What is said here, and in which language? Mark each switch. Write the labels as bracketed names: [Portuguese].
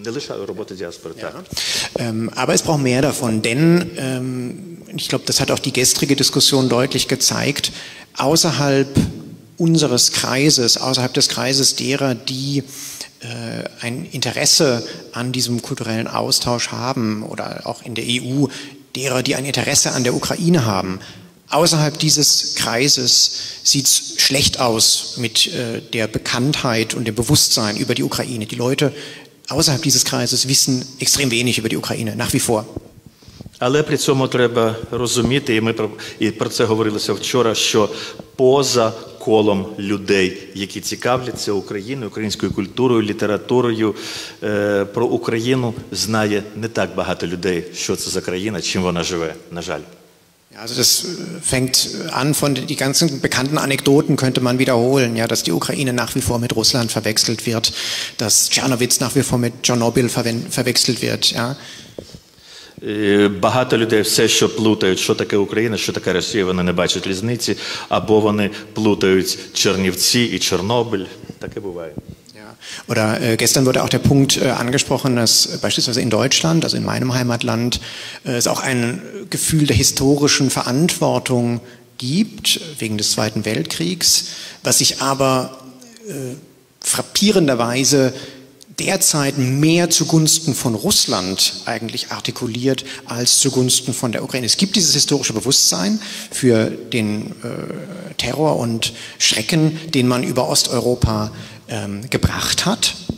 [German] Aber es braucht mehr davon, denn ich glaube, das hat auch die gestrige Diskussion deutlich gezeigt, außerhalb unseres Kreises, außerhalb des Kreises derer, die ein Interesse an diesem kulturellen Austausch haben oder auch in der EU, derer, die ein Interesse an der Ukraine haben, außerhalb dieses Kreises sieht es schlecht aus mit der Bekanntheit und dem Bewusstsein über die Ukraine. Die Leute außerhalb dieses Kreises wissen extrem wenig über die Ukraine, nach wie vor. [Ukrainian] Але при цьому треба розуміти, і про це говорилося вчора, що поза колом людей, які цікавляться Україною, українською культурою, літературою, про Україну знає не так багато людей, що це за країна, чим вона живе, на жаль. [German] Also das fängt an von den ganzen bekannten Anekdoten könnte man wiederholen, ja, dass die Ukraine nach wie vor mit Russland verwechselt wird, dass Tschernowitz nach wie vor mit Tschernobyl verwechselt wird, ja. [Ukrainian] Багато людей все ще плутають, що таке Україна, що таке Росія, вони не бачать різниці, або вони плутають Чернівці і Чорнобиль, таке буває. [German] Oder gestern wurde auch der Punkt angesprochen, dass beispielsweise in Deutschland, also in meinem Heimatland, es auch ein Gefühl der historischen Verantwortung gibt, wegen des Zweiten Weltkriegs, was sich aber frappierenderweise derzeit mehr zugunsten von Russland eigentlich artikuliert als zugunsten von der Ukraine. Es gibt dieses historische Bewusstsein für den Terror und Schrecken, den man über Osteuropa gebracht hat.